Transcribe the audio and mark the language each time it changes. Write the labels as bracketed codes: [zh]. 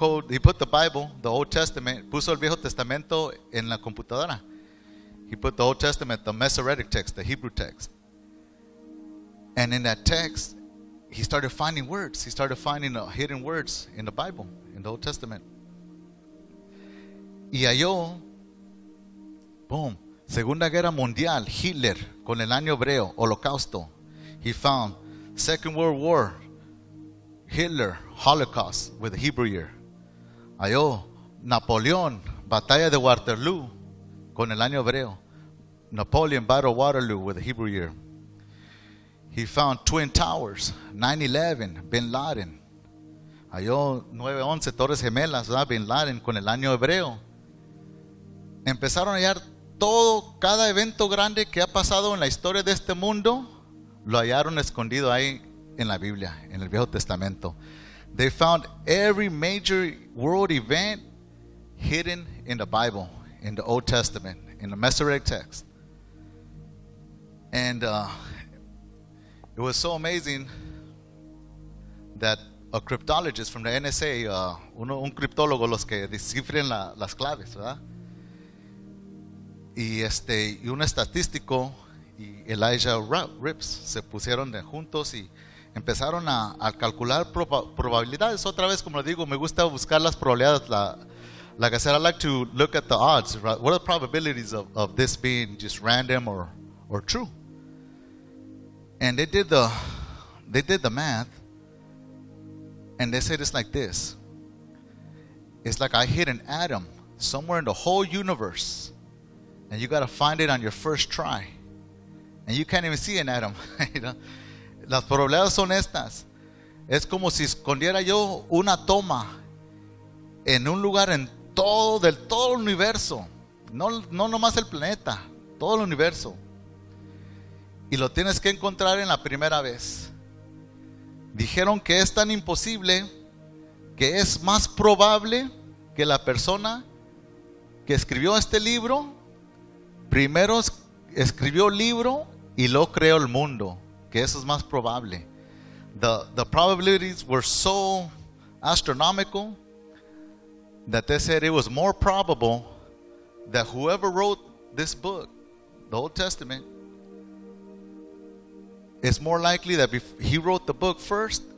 [en] He put the Bible, the Old Testament, [es] puso el Viejo Testamento en la computadora. [en] He put the Old Testament, the Masoretic text, the Hebrew text. And in that text, he started finding words. He started finding hidden words in the Bible, in the Old Testament. [es] Y halló, boom, Segunda Guerra Mundial, Hitler, con el año hebreo, Holocausto. [en] He found Second World War, Hitler, Holocaust, with the Hebrew year. [es] Ayo, Napoleon, Batalla de Waterloo, con el año hebreo. [en] Napoleon, Battle of Waterloo, with the Hebrew year. He found Twin Towers, 9/11, Bin Laden. [es] Ayo, 9/11, Torres Gemelas, ¿verdad? Bin Laden, con el año hebreo. Empezaron a hallar todo, cada evento grande que ha pasado en la historia de este mundo, lo hallaron escondido ahí en la Biblia, en el Viejo Testamento. [en] They found every major world event hidden in the Bible, in the Old Testament, in the Masoretic text. And it was so amazing that a cryptologist from the NSA, [es] un criptólogo, los que descifren las claves, ¿verdad? Y un estadístico y Elijah Rips se pusieron juntos y empezaron a calcular probabilidades. Otra vez, como digo, me gusta buscar las probabilidades. [en] Like I said, I like to look at the odds, right? What are the probabilities of this being just random or true? And they did the math, and they said it's like this. It's like I hit an atom somewhere in the whole universe, and you got to find it on your first try. And you can't even see an atom. You know? [es] Las probabilidades son estas. Es como si escondiera yo una toma en un lugar en todo, del todo el universo. No nomás el planeta, todo el universo. Y lo tienes que encontrar en la primera vez. Dijeron que es tan imposible que es más probable que la persona que escribió este libro primero escribió el libro y lo creó el mundo, que eso es más probable. [en] The probabilities were so astronomical that they said it was more probable that whoever wrote this book, the Old Testament, is more likely that he wrote the book first